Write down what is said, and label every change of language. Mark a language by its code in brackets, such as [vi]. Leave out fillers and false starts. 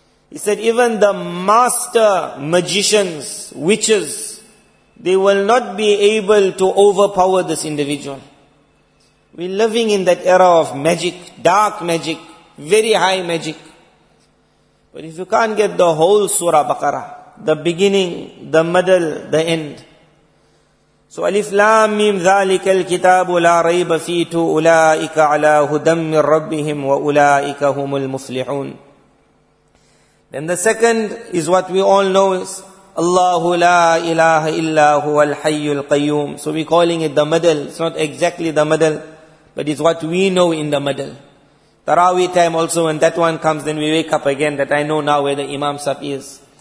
[en] He said, even the master magicians, witches, they will not be able to overpower this individual. We're living in that era of magic, dark magic, very high magic. But if you can't get the whole Surah Baqarah, the beginning, the middle, the end. [ar] So, Alif Lam Mim ذَلِكَ الْكِتَابُ لَا رَيْبَ فِيهِ أُولَٰئِكَ عَلَىٰ هُدًى مِّن رَّبِّهِمْ وَأُولَٰئِكَ هُمُ الْمُفْلِحُونَ. [en] Then the second is what we all know is [ar] اللَّهُ لَا إِلَٰهَ إِلَّا هُوَ الْحَيُّ الْقَيُّومُ. [en] So we're calling it the middle. It's not exactly the middle, but it's what we know in the middle. Taraweeh time also, when that one comes, then we wake up again that I know now where the Imam Sahib is.